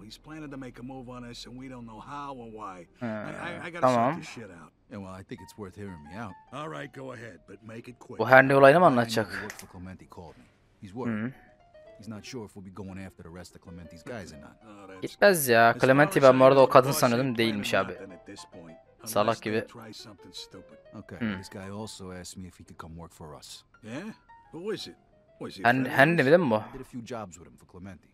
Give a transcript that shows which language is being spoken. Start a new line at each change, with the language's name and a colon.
English: He's planning to make a move on us, and we don't know how or why. I gotta check this shit out. Yeah, well, I think it's worth hearing me out. All right, go ahead, but make it quick.
Turkish: Bu her ne olayını mı anlatacak?
English: For Clemente called me. He's worried. He's not sure if we'll be going after the rest of Clemente's guys or not.
Turkish: Gitmez ya. Clemente ben bu arada o kadın sanıyordum, değilmiş abi. Salak gibi.
English: Okay. This guy also asked me if he could come work for us. Yeah? Who is it?
Turkish: Hendi mi değil mi bu?
English: Did a few jobs with him for Clemente.